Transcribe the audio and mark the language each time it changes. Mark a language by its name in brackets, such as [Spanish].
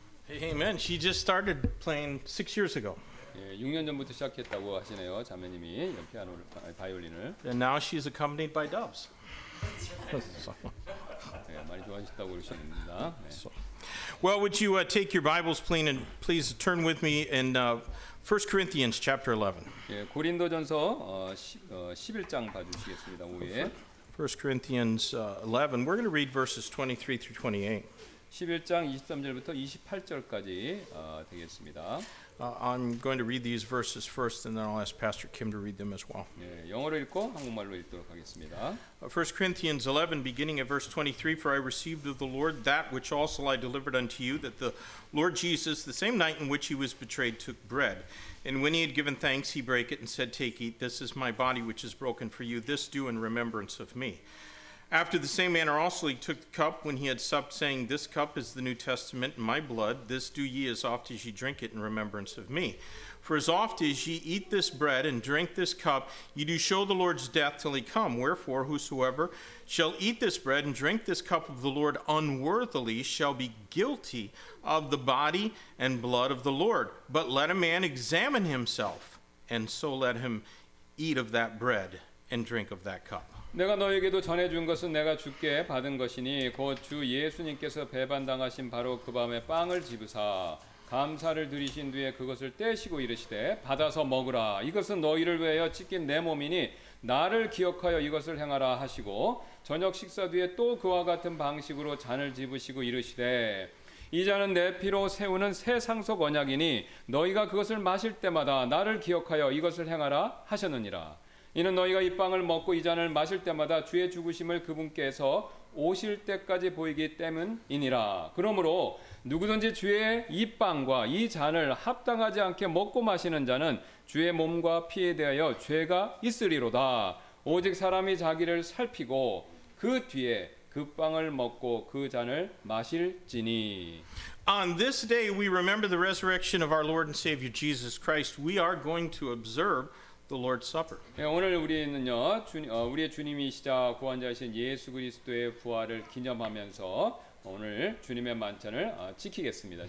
[English] Amen. She just started playing 6 years ago. [Korean] 예, 6년 전부터 시작했다고 하시네요, 자매님이 피아노를 바이올린을. [English] And now she's accompanied by doves. [Korean] 예, 많이 좋아하셨다고 그러십니다. [English] Well, would you take your Bibles, please, and please turn with me in 1 Corinthians chapter 11. [Korean] 예, 고린도전서 11장 봐주시겠습니다, 오후에. [English] 1 Corinthians 11. We're going to read verses 23 through 28. [Korean] 11장 23절부터 28절까지 되겠습니다. [English] I'm going to read these verses first and then I'll ask Pastor Kim to read them as well. [Korean] 네, 영어로 읽고 한국말로 읽도록 하겠습니다. [English] 1 Corinthians 11 beginning at verse 23 For I received of the Lord that which also I delivered unto you that the Lord Jesus the same night in which he was betrayed took bread and when he had given thanks he brake it and said take eat this is my body which is broken for you this do in remembrance of me. After the same manner also he took the cup when he had supped, saying, This cup is the New Testament in my blood. This do ye as oft as ye drink it in remembrance of me. For as oft as ye eat this bread and drink this cup, ye do show the Lord's death till he come. Wherefore, whosoever shall eat this bread and drink this cup of the Lord unworthily shall be guilty of the body and blood of the Lord. But let a man examine himself, and so let him eat of that bread and drink of that cup. [Korean] 내가 너에게도 전해준 것은 내가 주께 받은 것이니 곧 주 예수님께서 배반당하신 바로 그 밤에 빵을 집으사 감사를 드리신 뒤에 그것을 떼시고 이르시되 받아서 먹으라 이것은 너희를 위하여 찢긴 내 몸이니 나를 기억하여 이것을 행하라 하시고 저녁 식사 뒤에 또 그와 같은 방식으로 잔을 집으시고 이르시되 이 잔은 내 피로 세우는 새 상속 언약이니 너희가 그것을 마실 때마다 나를 기억하여 이것을 행하라 하셨느니라 이는 너희가 이 빵을 먹고 이 잔을 마실 때마다 주의 죽으심을 그분께서 오실 때까지 보이기 때문이니라 그러므로 누구든지 주의 이 빵과 이 잔을 합당하지 않게 먹고 마시는 자는 주의 몸과 피에 대하여 죄가 있으리로다 오직 사람이 자기를 살피고 그 뒤에 그 빵을 먹고 그 잔을 마실지니 [English] On this day we remember the resurrection of our Lord and Savior Jesus Christ. We are going to observe the Lord's Supper. [Korean] 오늘 우리는요, 우리의 주님이시자 구원자이신 예수 그리스도의 부활을 기념하면서 오늘 주님의 만찬을 지키겠습니다.